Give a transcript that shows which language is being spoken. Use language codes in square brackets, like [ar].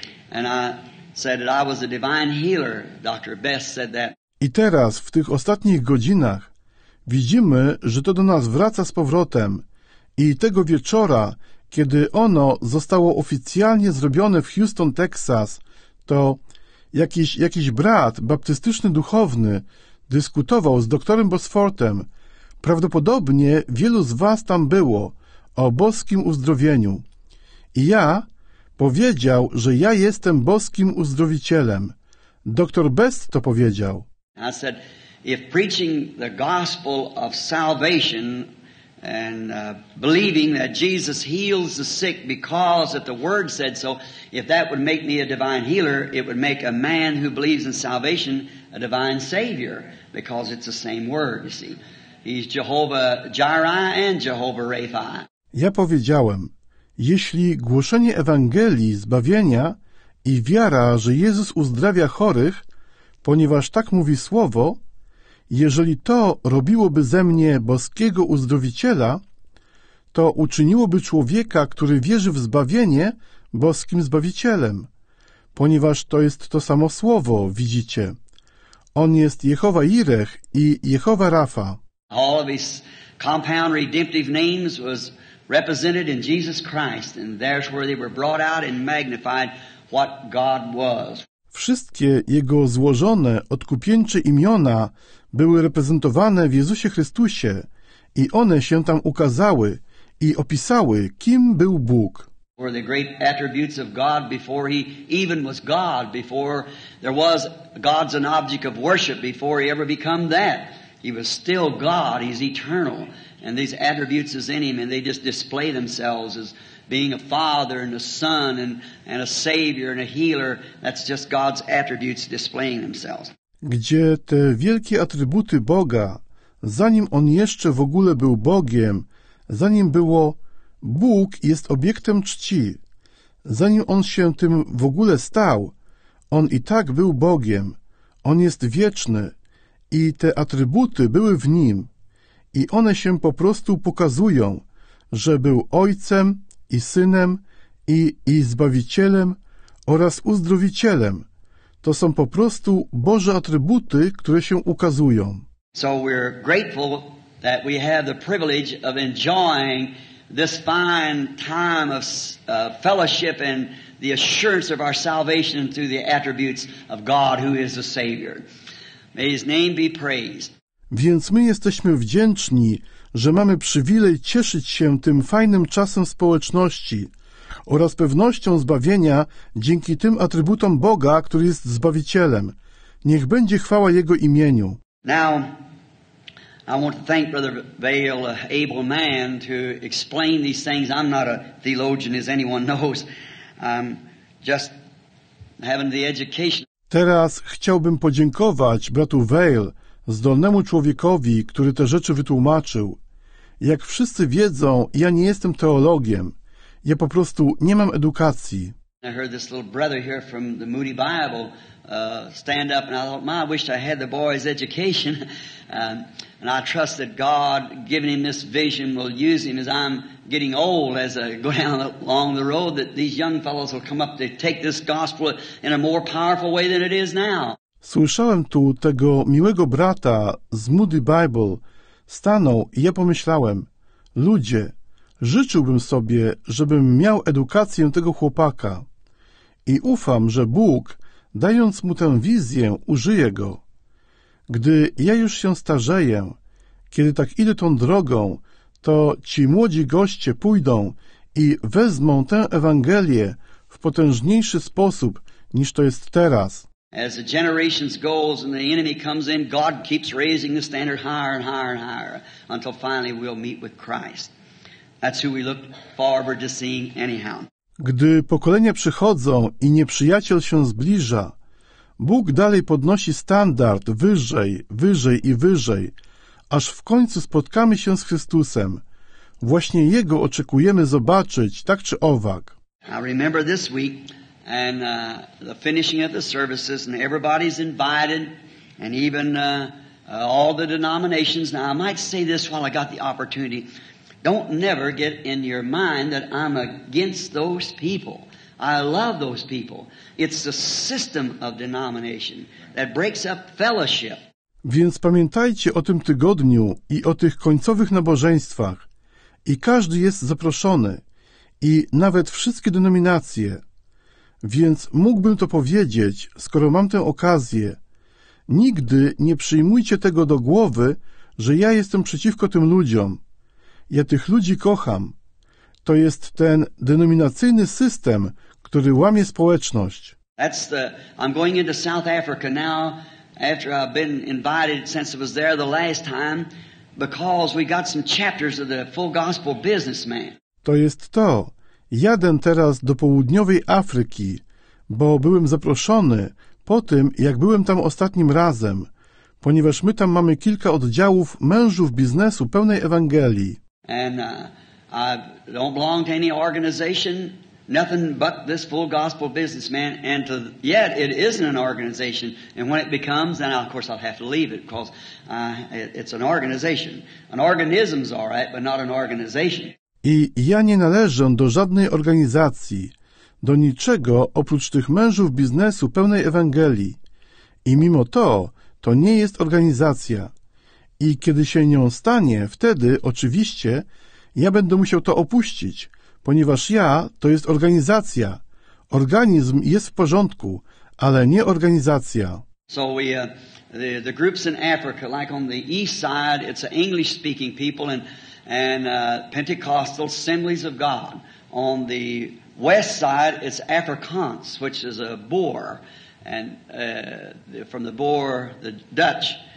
[en] And I said that I was a divine healer. Dr. Best said that. [pl] I teraz, w tych ostatnich godzinach, widzimy, że to do nas wraca z powrotem. I tego wieczora, kiedy ono zostało oficjalnie zrobione w Houston, Texas, to jakiś brat, baptystyczny duchowny, dyskutował z doktorem Bosworthem. Prawdopodobnie wielu z was tam było, o boskim uzdrowieniu. I ja powiedział, że ja jestem boskim uzdrowicielem. Doktor Best to powiedział. [en] I said, if preaching the gospel of salvation and believing that Jesus heals the sick because that the word said so, if that would make me a divine healer, it would make a man who believes in salvation a divine savior, because it's the same word, you see. He's Jehovah Jireh and Jehovah Rapha. [pl] Ja powiedziałem, jeśli głoszenie Ewangelii zbawienia i wiara, że Jezus uzdrawia chorych, ponieważ tak mówi Słowo, jeżeli to robiłoby ze mnie boskiego uzdrowiciela, to uczyniłoby człowieka, który wierzy w zbawienie, boskim zbawicielem, ponieważ to jest to samo Słowo, widzicie. On jest Jehova Jireh i Jehova Rapha. [en] All of his compound redemptive names was represented in Jesus Christ, and there's where they were brought out and magnified what God was. [pl] Wszystkie jego złożone, odkupieńcze imiona były reprezentowane w Jezusie Chrystusie i one się tam ukazały i opisały, kim był Bóg. [en] Were the great attributes of God before he even was God, before there was God's an object of worship, before he ever become that. He was still God, he's eternal. And these attributes is in him, and they just display themselves as being a father and a son and a savior and a healer. That's just God's attributes displaying themselves. [pl] Gdzie te wielkie atrybuty Boga, zanim on jeszcze w ogóle był Bogiem, zanim było Bóg jest obiektem czci, zanim on się tym w ogóle stał, on i tak był Bogiem, on jest wieczny i te atrybuty były w nim i one się po prostu pokazują, że był Ojcem i Synem, i Zbawicielem, oraz Uzdrowicielem. To są po prostu Boże atrybuty, które się ukazują. [en] So we're grateful that we have the privilege of enjoying this fine time of fellowship and the assurance of our salvation through the attributes of God who is the Savior. May His name be praised. [pl] Więc my jesteśmy wdzięczni, że mamy przywilej cieszyć się tym fajnym czasem społeczności oraz pewnością zbawienia dzięki tym atrybutom Boga, który jest Zbawicielem. Niech będzie chwała Jego imieniu. [en] Now, I want to thank Brother Vail, an able man, to explain these things. I'm not a theologian, as anyone knows. I'm just having the education. [pl] Teraz chciałbym podziękować bratu Vail, zdolnemu człowiekowi, który te rzeczy wytłumaczył. Jak wszyscy wiedzą, ja nie jestem teologiem. Ja po prostu nie mam edukacji. [en] I heard this little brother here from the Moody Bible stand up, and I thought, my, I wish I had the boy's education. And I trust that God, giving him this vision, will use him as I'm getting old, as I go down along the road, that these young fellows will come up to take this gospel in a more powerful way than it is now. [pl] Słyszałem tu tego miłego brata z Moody Bible stanął i ja pomyślałem, ludzie, życzyłbym sobie, żebym miał edukację tego chłopaka i ufam, że Bóg, dając mu tę wizję, użyje go. Gdy ja już się starzeję, kiedy tak idę tą drogą, to ci młodzi goście pójdą i wezmą tę Ewangelię w potężniejszy sposób, niż to jest teraz. [en] As the generations goes and the enemy comes in, God keeps raising the standard higher and higher and higher until finally we'll meet with Christ. That's who we look forward to seeing anyhow. [pl] Gdy pokolenia przychodzą i nieprzyjaciel się zbliża, Bóg dalej podnosi standard wyżej, wyżej i wyżej, aż w końcu spotkamy się z Chrystusem. Właśnie Jego oczekujemy zobaczyć, tak czy owak. [en] I remember this week and the finishing of the services and everybody's invited and even all the denominations. Now I might say this while I got the opportunity. Don't never get in your mind that I'm against those people. I love those people. It's the system of denomination that breaks up fellowship. [pl] Więc pamiętajcie o tym tygodniu i o tych końcowych nabożeństwach. I każdy jest zaproszony. I nawet wszystkie denominacje. Więc mógłbym to powiedzieć, skoro mam tę okazję. Nigdy nie przyjmujcie tego do głowy, że ja jestem przeciwko tym ludziom. Ja tych ludzi kocham. To jest ten denominacyjny system, który łamie społeczność. [en] That's the, I'm going into South Africa now, after I've been invited since I was there the last time, because we got some chapters of the full gospel businessman. [pl] To jest to. Jadę teraz do południowej Afryki, bo byłem zaproszony po tym, jak byłem tam ostatnim razem, ponieważ my tam mamy kilka oddziałów mężów biznesu pełnej Ewangelii. [en] And I don't belong to any organization, nothing but this full gospel businessman, and to, yet it isn't an organization, and when it becomes, then of course I'll have to leave it, because it's an organization. An organism's all right, but not an organization. [pl] I ja nie należę do żadnej organizacji, do niczego oprócz tych mężów biznesu pełnej Ewangelii. I mimo to, to nie jest organizacja. I kiedy się nią stanie, wtedy, oczywiście, ja będę musiał to opuścić, ponieważ ja to jest organizacja. Organizm jest w porządku, ale nie organizacja. [en] So we, the groups in Africa, like on the east side, it's an English-speaking people and Pentecostal Assemblies of God. On the west side, it's Afrikaans, which is a Boer, and from the Boer, the Dutch.